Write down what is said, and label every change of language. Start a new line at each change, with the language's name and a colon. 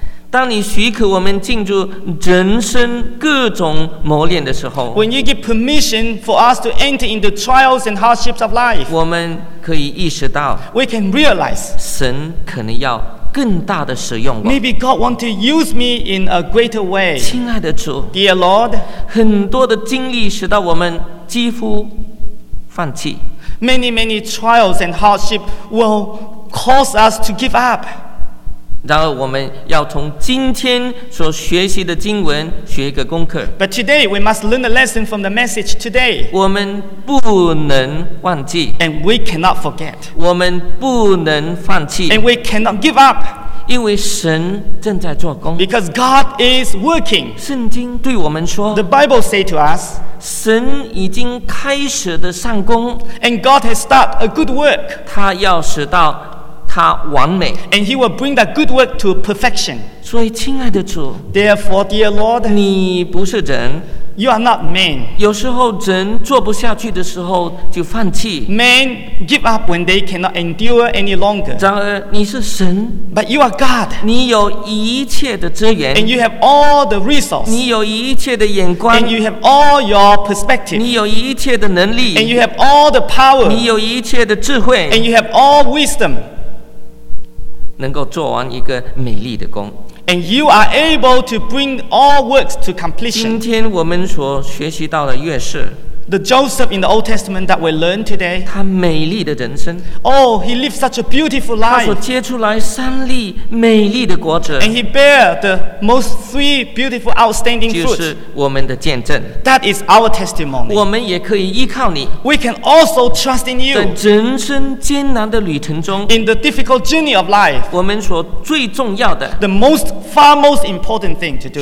Chinese: 当你许可我们进入人生各种磨练的时候
English: ，when you give permission for us to enter into trials and hardships of life，
Chinese: 我们可以意识到
English: ，we can realize，
Chinese: 神可能要更大的使用我。
English: Maybe God want to use me in a greater way.
Chinese: 亲爱的主
English: ，Dear Lord，
Chinese: 很多的经历使到我们几乎放弃。
English: Many many trials and hardship will cause us to give up.
Chinese: 然而我们要从今天所学习的经文学一个功课。
English: But today we must learn a lesson from the message today.
Chinese: 我们不能忘记。
English: And we cannot forget.
Chinese: 我们不能放弃。
English: And we cannot give up.
Chinese: 因为神正在做工。
English: Because God is working.
Chinese: 圣经对我们说。
English: The Bible say to us.
Chinese: 神已经开始的善工
English: ，and God has started a good work.
Chinese: 他要使到他完美
English: ，and He will bring that good work to perfection.
Chinese: 所以，亲爱的主
English: ，Therefore, dear Lord,
Chinese: 你不是人
English: ，you are not man.
Chinese: 有时候人做不下去的时候就放弃
English: ，men give up when they cannot endure any longer.
Chinese: 然而，你是神
English: ，but you are God.
Chinese: 你有一切的资源
English: ，and you have all the resources.
Chinese: 你有一切的眼光
English: ，and you have all your perspective.
Chinese: 你有一切的能力
English: ，and you have all the power.
Chinese: 你有一切的智慧
English: ，and you have all wisdom.
Chinese: 能够做完一个美丽的工。
English: And you are able to bring all works to completion.
Chinese: 今天我们所学习到的约瑟。
English: The Joseph in the Old Testament that we learn today.
Chinese: 他美丽的人生。
English: Oh, he lived such a beautiful life.
Chinese: 他所结出来三粒美丽的果子。
English: And he bear the most three beautiful outstanding fruit.
Chinese: 就是我们的见证。
English: That is our testimony.
Chinese: 我们也可以依靠你。
English: We can also trust in you.
Chinese: 在人生艰难的旅程中。
English: In the difficult journey of life.
Chinese: 我们所最重要的。
English: The most, far most important thing to do.